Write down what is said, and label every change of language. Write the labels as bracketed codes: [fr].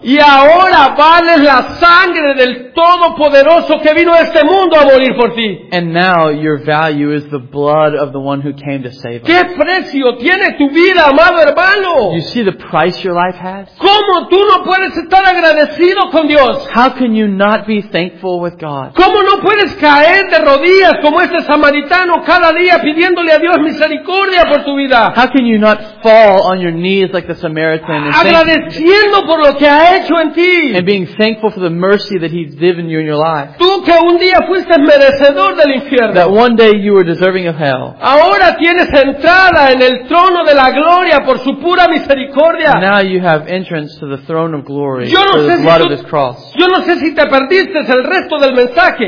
[es] Y ahora vales la sangre del Todopoderoso que vino a este mundo a morir por ti. [en] And now your value is the blood of the one who came to save us. [es] ¿Qué precio tiene tu vida, amado hermano? [en] You see the price your life has? [es] ¿Cómo tú no puedes estar agradecido con Dios? [en] How can you not be thankful with God? [es] ¿Cómo no puedes caer de rodillas como este samaritano cada día pidiéndole a Dios misericordia por tu vida? [en] How can you not fall on your knees like the Samaritan and [es] agradeciendo por lo que ha hecho en ti? [en] And being thankful for the mercy that He's given you in your life. [es] Tú que un día fuiste merecedor del infierno. [en] That one day you were deserving of hell. [es] Ahora tienes entrada en el trono de la gloria por su pura misericordia. [en] And now you have entrance to the throne of glory for the blood of His cross. [es] Yo no sé si te perdiste el resto del mensaje.